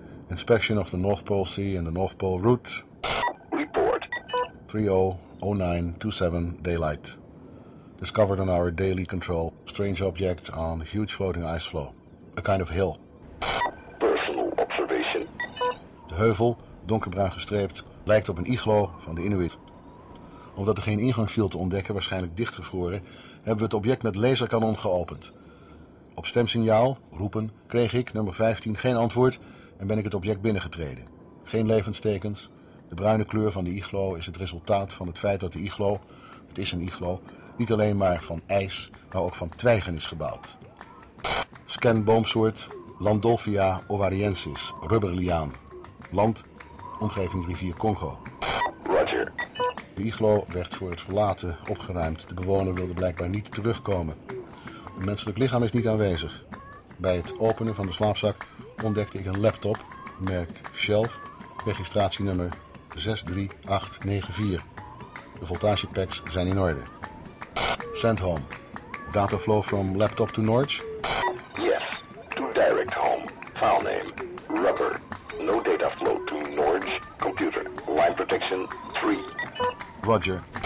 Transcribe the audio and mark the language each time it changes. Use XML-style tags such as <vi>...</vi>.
<en>Inspection of the North Pole Sea and the North Pole route. Report. 30/09/27, daylight. Discovered on our daily control, strange object on huge floating ice floe, a kind of hill. Personal observation.</en> <nl>De heuvel, donkerbruin gestreept, lijkt op een iglo van de Inuit. Omdat er geen ingang viel te ontdekken, waarschijnlijk dichtgevroren, hebben we het object met laserkanon geopend. Op stemsignaal, roepen, kreeg ik, nummer 15, geen antwoord en ben ik het object binnengetreden. Geen levenstekens. De bruine kleur van de iglo is het resultaat van het feit dat de iglo, het is een iglo, niet alleen maar van ijs, maar ook van twijgen is gebouwd. Scan boomsoort Landolphia ovariensis, rubberliaan. Land, omgeving rivier Congo.</nl> <en>Roger.</en> <nl>De iglo werd voor het verlaten opgeruimd. De bewoner wilde blijkbaar niet terugkomen. Een menselijk lichaam is niet aanwezig. Bij het openen van de slaapzak ontdekte ik een laptop, merk Shelf, registratienummer 63894. De voltagepacks zijn in orde.</nl> <en>Send home. Data flow from laptop to Norge? Yes. To direct home. File name. Rubber. No data flow to Norge. Computer. Line protection 3. Roger.</en>